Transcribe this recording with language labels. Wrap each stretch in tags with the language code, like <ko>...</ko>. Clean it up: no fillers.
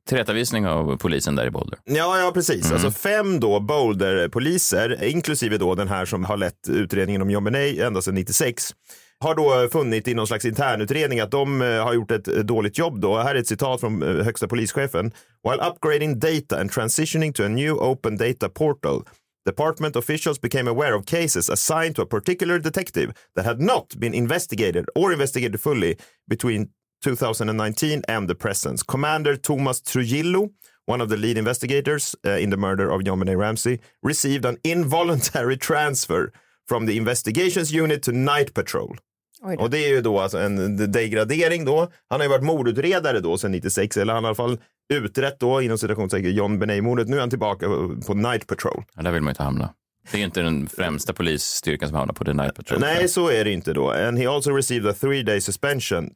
<sv>Tillrättavisning av polisen där i Boulder. Ja, ja, precis. Mm. Alltså fem då Boulder-poliser, inklusive då den här som har lett utredningen om JonBenet ända sedan 96, har då funnit i någon slags internutredning att de har gjort ett dåligt jobb då. Här är ett citat från högsta polischefen.</sv> <en>While upgrading data and transitioning to a new open data portal, department officials became aware of cases assigned to a particular detective that had not been investigated or investigated fully between 2019 and the present. Commander Thomas Trujillo, one of the lead investigators in the murder of JonBenet Ramsey, received an involuntary transfer from the investigations unit to night patrol.</en> <sv>Och det är ju då alltså en degradering då. Han har ju varit mordutredare då sedan 96, eller han har i alla fall utrett då inom situationen JonBenet-mordet. Nu är han tillbaka på night patrol. Ja, där vill man ju inte hamna. Det är inte den främsta polisstyrkan som hamnar på the night patrol. Nej, så är det inte då.</sv> <en>And he also received a 3-day suspension.</en>